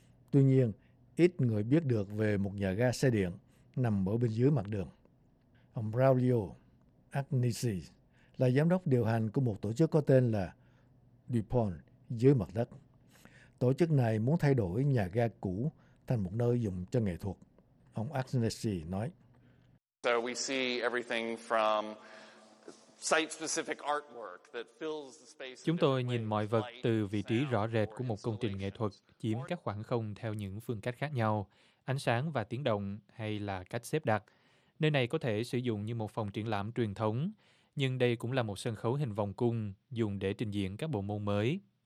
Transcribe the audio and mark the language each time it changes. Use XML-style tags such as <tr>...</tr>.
<vi>Tuy nhiên, ít người biết được về một nhà ga xe điện nằm ở bên dưới mặt đường. Ông Braulio Agnesi là giám đốc điều hành của một tổ chức có tên là DuPont dưới mặt đất. Tổ chức này muốn thay đổi nhà ga cũ thành một nơi dùng cho nghệ thuật. Ông Agnesi nói:</vi> <en>So we see everything from site-specific artwork that fills the space.</en> <vi>Chúng tôi nhìn mọi vật từ vị trí rõ rệt của một công trình nghệ thuật chiếm các khoảng không theo những phương cách khác nhau, ánh sáng và tiếng động hay là cách xếp đặt. Nơi này có thể sử dụng như một phòng triển lãm truyền thống, nhưng đây cũng là một sân khấu hình vòng cung dùng để trình diễn các bộ môn mới.</vi>